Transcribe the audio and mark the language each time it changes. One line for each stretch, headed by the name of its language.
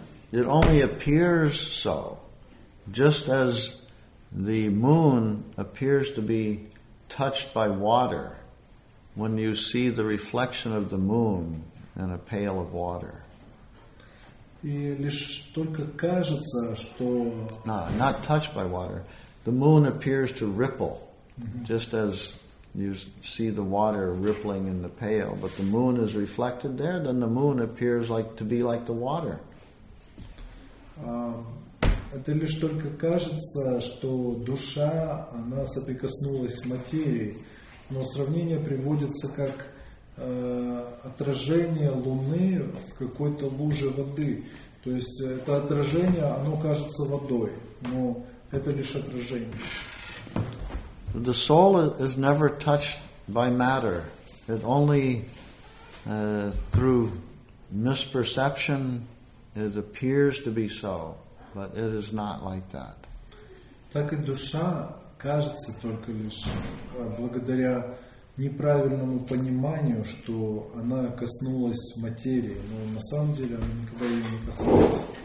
English: It only appears so, just as the moon appears to be touched by water when you see the reflection of the moon in a pail of water.
Russian: И лишь только кажется, что...
English: No, not touched by water. The moon appears to ripple, just as you see the water rippling in the pail. But the moon is reflected there, then the moon appears like to be like the water.
Russian: Это лишь только кажется, что душа, она соприкоснулась с материей. Но сравнение приводится как отражение луны в какой-то луже воды. То есть это отражение, оно кажется водой, но... Это лишь отражение.
English: The soul is never touched by matter. It only through misperception it appears to be so, but it is not like that.
Russian: Так и душа кажется только лишь благодаря неправильному пониманию, что она коснулась материи, но на самом деле она никогда ее не коснулась.